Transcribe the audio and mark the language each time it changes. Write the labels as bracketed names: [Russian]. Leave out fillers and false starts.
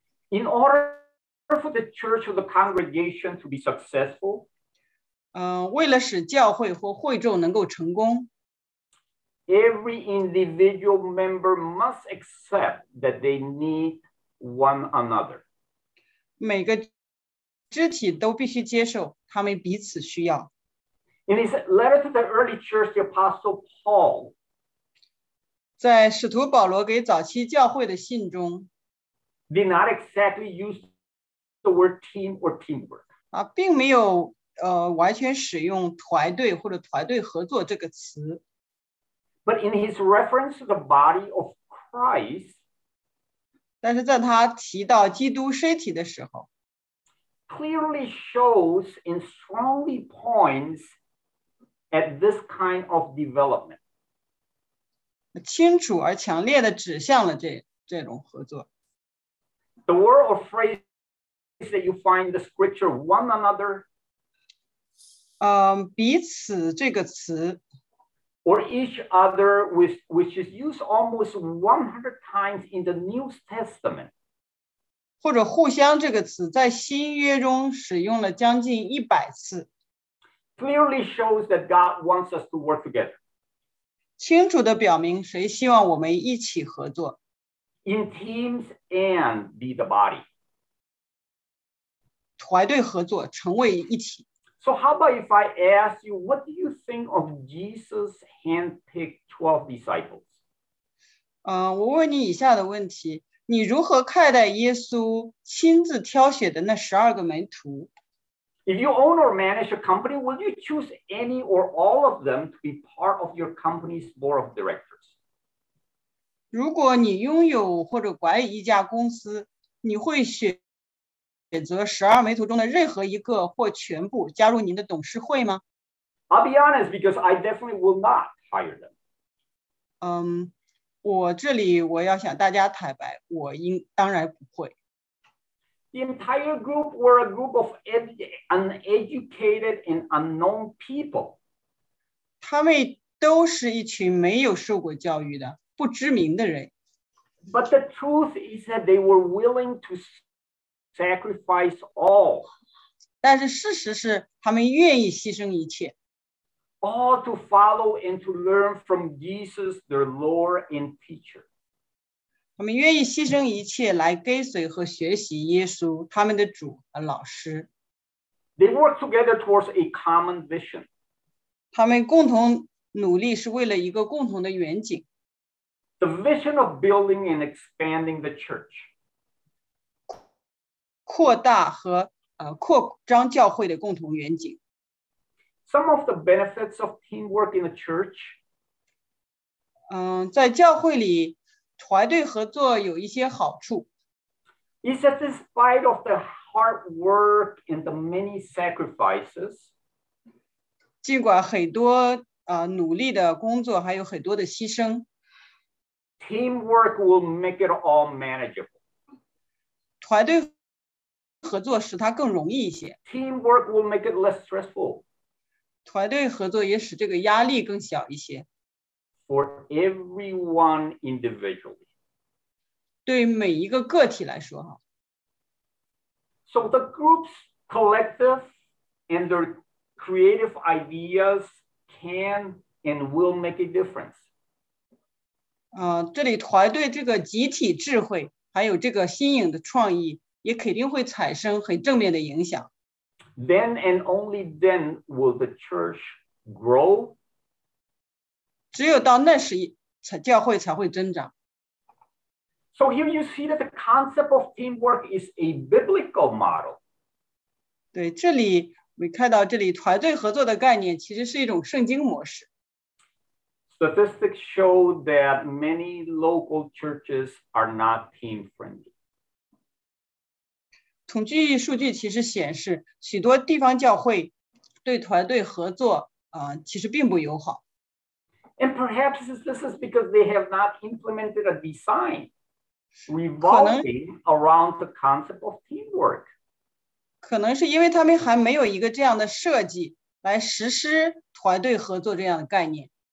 [English] In order for the church or the congregation to be successful， [Chinese] 为了使教会或会众能够成功 [English] ，every individual member must accept that they need one another。 [Chinese] 每个肢体都必须接受他们彼此需要。 [English] In his letter to the early church, the Apostle Paul, [Chinese] 在使徒保罗给早期教会的信中 [English] did not exactly use the word team or teamwork. [Chinese] 并没有完全使用团队或者团队合作这个词。 [English] But in his reference to the body of Christ, [Chinese] 但是在他提到基督身体的时候 [English] clearly shows and strongly points at this kind of development. [Chinese] 清楚而强烈地指向了这种合作。 [English] The word or phrase that you find in the scripture, one another, [Chinese] 彼此这个词 [English] or each other, which is used almost 100 times in the New Testament. [Chinese] 或者互相这个词在新约中使用了将近100次。 [English] Clearly shows that God wants us to work together. [Chinese] 清楚地表明谁希望我们一起合作。 [English] In teams and be the body. [Chinese] 团队合作成为一体。 [English] So how about if I ask you, what do you think of Jesus' handpicked 12 disciples? [Chinese] 我问你以下的问题。你如何看待耶稣亲自挑选的那十二个门徒 [English] ？If you own or manage a company, will you choose any or all of them to be part of your company's board of directors? [Chinese] 如果你拥有或者管理一家公司，你会选择十二门徒中的任何一个或全部加入您的董事会吗 [English] ？I'll be honest, because I definitely will not hire them. [Chinese] 我这里我要向大家坦白，我当然不会。 [English] The entire group were a group of uneducated and unknown people. [Chinese] 他们都是一群没有受过教育的不知名的人。 [English] But the truth is that they were willing to sacrifice all. [Chinese] 但是事实是，他们愿意牺牲一切。 [English] all to follow and to learn from Jesus, their Lord and teacher. [Chinese] 他们愿意牺牲一切来跟随和学习耶稣，他们的主和老师。 [English] They work together towards a common vision. [Chinese] 他们共同努力是为了一个共同的远景。 [English] The vision of building and expanding the church. [Chinese] 扩大和扩张教会的共同远景。 [English] Some of the benefits of teamwork in the church. [Chinese] 在教会里团队合作有一些好处。 [English] It's that in spite of the hard work and the many sacrifices, [Chinese] 尽管很多努力的工作还有很多的牺牲， [English] teamwork will make it all manageable. [Chinese] 团队合作使它更容易一些。 [English] Teamwork will make it less stressful. [Chinese] 团队合作也使这个压力更小一些。 [English] For everyone individually. [Chinese] 对每一个个体来说。 [English] So the group's collective and their creative ideas can and will make a difference. [Chinese] 这里团队这个集体智慧还有这个新颖的创意也肯定会产生很正面的影响。 [English] Then and only then will the church grow. [Chinese] 只有到那时教会才会增长。 [English] So here you see that the concept of teamwork is a biblical model. [Chinese] 对，这里我看到这里团队合作的概念其实是一种圣经模式。 [English] Statistics show that many local churches are not team friendly. [Chinese] 统计数据其实显示许多地方教会对团队合作其实并不友好。 [English] And perhaps this is because they have not implemented a design revolving around the concept of teamwork. [Chinese] 可能是因为他们还没有一个这样的设计来实施团队合作这样的概念。